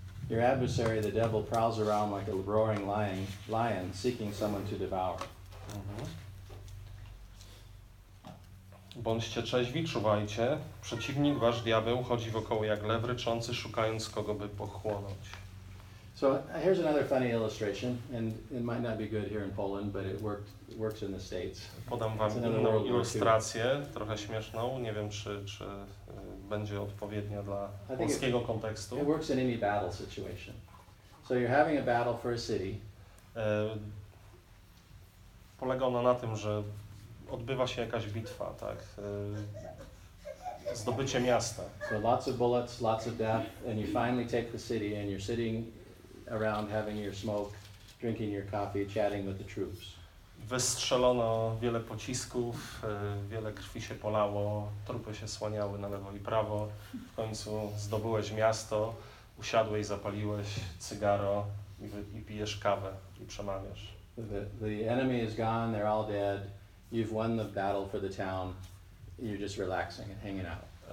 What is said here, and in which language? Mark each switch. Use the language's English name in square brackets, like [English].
[English] Your adversary, the devil, prowls around like a roaring lion seeking someone to devour. [Polish] Bądźcie trzeźwi, czuwajcie. Przeciwnik, wasz diabeł, chodzi wokoło jak lew ryczący, szukając kogo by pochłonąć. [English] So here's another funny illustration, and it might not be good here in Poland, but it works in the States. [Polish] Podam wam inną ilustrację, trochę śmieszną. Nie wiem, czy będzie odpowiednia dla polskiego kontekstu. [English] It works in any battle situation. So you're having a battle for a city. [Polish] Polega ona na tym, że odbywa się jakaś bitwa, tak? Zdobycie miasta. [English] So lots of bullets, lots of death, and you finally take the city, and you're sitting around having your smoke, drinking your coffee, chatting with the troops. [Polish] Wystrzelono wiele pocisków, wiele krwi się polało, trupy się słaniały na lewo i prawo. W końcu zdobyłeś miasto, usiadłeś, zapaliłeś cygaro i pijesz kawę i przemawiasz. [English] The enemy is gone, they're all dead. You've won the battle for the town. You're just relaxing and hanging out.